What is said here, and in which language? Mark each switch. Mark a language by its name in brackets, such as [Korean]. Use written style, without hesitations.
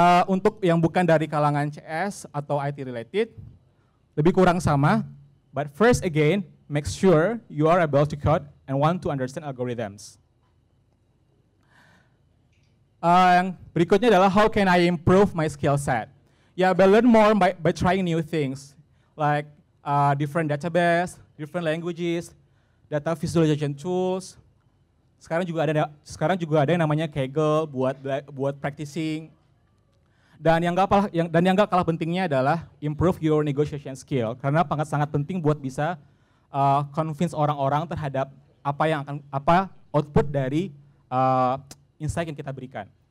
[Indonesian] Untuk yang bukan dari kalangan CS atau IT related, lebih kurang sama, [English] but first again, make sure you are able to code and want to understand algorithms. [Indonesian] Yang berikutnya adalah [English] how can I improve my skill set? Yeah, but learn more by trying new things, like different database, different languages, data visualization tools. [Indonesian] Sekarang juga ada yang namanya Kaggle buat practicing. Dan yang gak kalah pentingnya adalah [English] improve your negotiation skill, [Indonesian] karena sangat sangat penting buat bisa convince orang-orang terhadap apa output dari insight yang kita berikan.